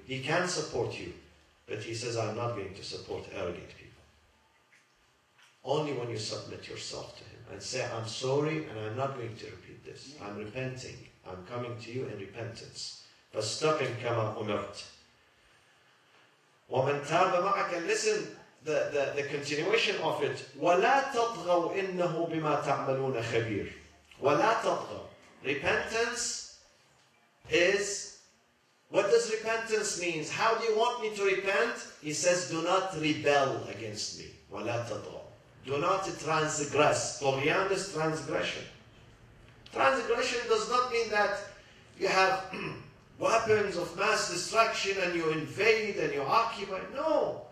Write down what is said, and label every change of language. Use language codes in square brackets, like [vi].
[en] He can support you, but He says, I'm not going to support arrogant people. Only when you submit yourself to Him and say, I'm sorry and I'm not going to repeat this. I'm repenting. I'm coming to you in repentance. [ar] فَاسْتَقِمْ كَمَا أُمِرْتَ وَمَنْ تَابَ مَعَكَ. [en] Listen, the continuation of it, [ar] وَلَا تَطْغَوْا إِنَّهُ بِمَا تَعْمَلُونَ خَبِيرٌ. وَلَا تَطْغَوْا. [en] Repentance is, what does repentance mean? How do you want me to repent? He says, do not rebel against me. [ar] وَلَا تَطْغَوْا. [en] Do not transgress. طغيان is transgression. Transgression does not mean that you have weapons of mass destruction and you invade and you occupy. No.